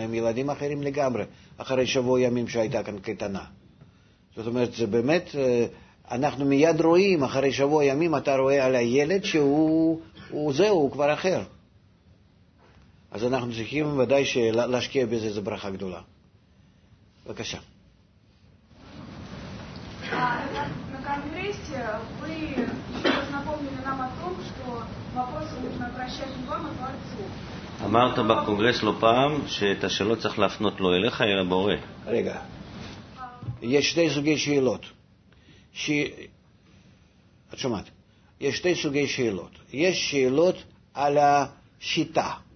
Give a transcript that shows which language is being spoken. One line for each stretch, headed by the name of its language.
Hebrew: הם ילדים אחרים לגמרי, אחרי שבוע ימים שהייתה כאן קטנה. זאת אומרת, זה באמת, אנחנו מיד רואים, אחרי שבוע ימים אתה רואה על הילד שהוא זהו, הוא כבר אחר. אז אנחנו צריכים ודאי להשקיע בזה, זו ברכה גדולה. בבקשה.
Russian: На конгрессе вы еще напомнили нам о том, что вопросы нужно обращать не вам, а Творцу.
Hebrew: אמרת בקונגרס לא פעם שאת השאלות צריך להפנות לא אליך, אלא בורא. רגע. יש שתי סוגי שאלות. את שומעת? יש שתי סוגי שאלות. יש שאלות על השיטה.